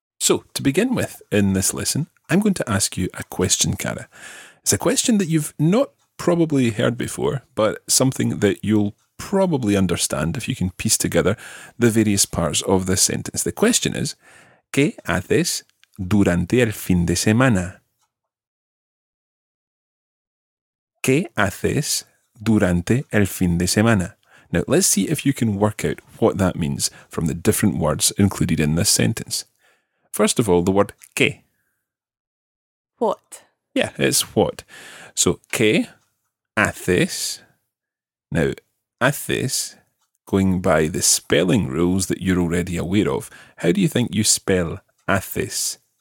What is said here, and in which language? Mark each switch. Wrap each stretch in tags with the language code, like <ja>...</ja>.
<en>So to begin with in this lesson, I'm going to ask you a question, Cara. It's a question that you've not probably heard before, but something that you'll probably understand if you can piece together the various parts of this sentence. The question is,</en> <es>¿qué haces durante el fin de semana? ¿Qué haces durante el fin de semana?</es> <en>Now, let's see if you can work out what that means from the different words included in this sentence. First of all, the word ¿qué? What? Yeah, it's what. So,</en> <es>¿qué haces?</es> <en>Now, haces, going by the spelling rules that you're already aware of, how do you think you spell haces?</en>